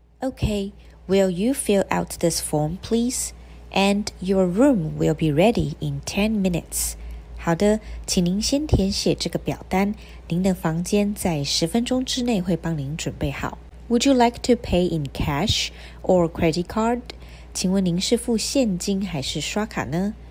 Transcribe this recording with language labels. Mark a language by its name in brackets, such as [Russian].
[English] Okay, will you fill out this form, please? And your room will be ready in 10 minutes. [Chinese] 好的，请您先填写这个表单，您的房间在十分钟之内会帮您准备好。 [English] Would you like to pay in cash or credit card? [Chinese] 请问您是付现金还是刷卡呢?